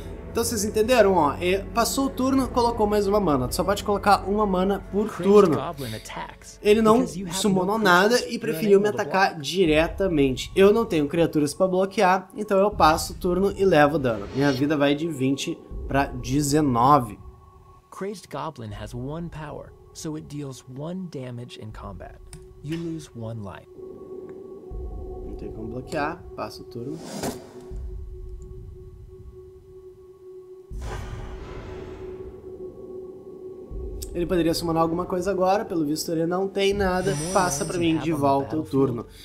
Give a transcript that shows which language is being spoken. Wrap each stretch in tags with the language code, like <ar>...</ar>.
<pt>Então vocês entenderam, ó, passou o turno, colocou mais uma mana, só pode colocar uma mana por turno. Ele não summonou nada e preferiu me atacar diretamente. Eu não tenho criaturas pra bloquear, então eu passo o turno e levo dano. Minha vida vai de 20 pra 19.</pt> <en>Crazed Goblin has one power, so it deals one damage in combat. You lose one life.</en> <pt>Não tem como bloquear, passa o turno. Ele poderia summonar alguma coisa agora, pelo visto ele não tem nada, passa pra mim de volta o turno.</pt>